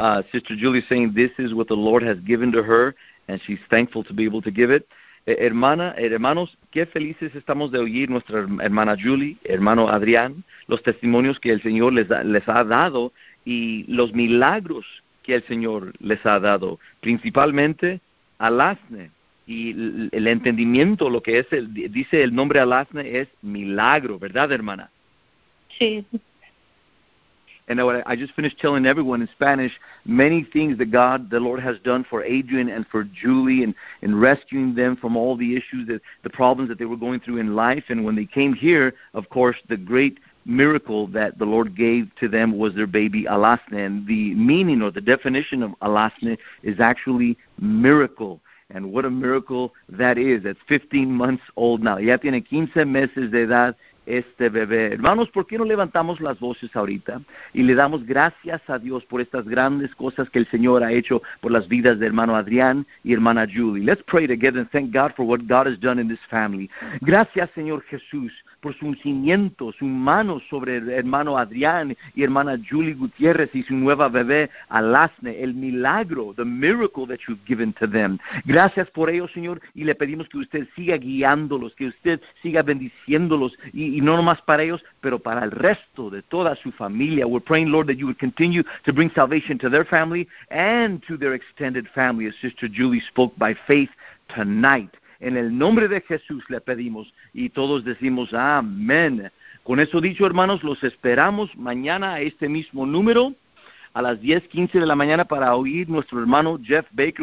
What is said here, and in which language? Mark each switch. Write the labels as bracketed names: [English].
[English] Sister Julie is saying this is what the Lord has given to her, and she's thankful to be able to give it. [Spanish] Hermanos, qué felices estamos de oír nuestra hermana Julie, hermano Adrián, los testimonios que el Señor les ha dado y los milagros que el Señor les ha dado, principalmente Alasne. Y el entendimiento, lo que es el, dice el nombre Alasne, es milagro, ¿verdad, hermana? Sí. [English] And I just finished telling everyone in Spanish many things that God, the Lord has done for Adrian and for Julie and rescuing them from all the issues, that the problems that they were going through in life. And when they came here, of course, the great miracle that the Lord gave to them was their baby Alasne. And the meaning or the definition of Alasne is actually miracle. And what a miracle that is. It's 15 months old now. [Spanish] Ya tiene 15 meses de edad. Este bebé. Hermanos, ¿por qué no levantamos las voces ahorita y le damos gracias a Dios por estas grandes cosas que el Señor ha hecho por las vidas de hermano Adrián y hermana Julie? [English] Let's pray together and thank God for what God has done in this family. [Spanish] Gracias, Señor Jesús, por su ungimiento, su mano sobre el hermano Adrián y hermana Julie Gutiérrez y su nueva bebé Alasne, el milagro, [English] the miracle that you've given to them. [Spanish] Gracias por ello, Señor, y le pedimos que usted siga guiándolos, que usted siga bendiciéndolos, y no nomás para ellos, pero para el resto de toda su familia. [English] We're praying, Lord, that you would continue to bring salvation to their family and to their extended family, as Sister Julie spoke by faith tonight. [Spanish] En el nombre de Jesús le pedimos, y todos decimos amén. Con eso dicho, hermanos, los esperamos mañana a este mismo número, a las 10:15 de la mañana, para oír nuestro hermano Jeff Baker.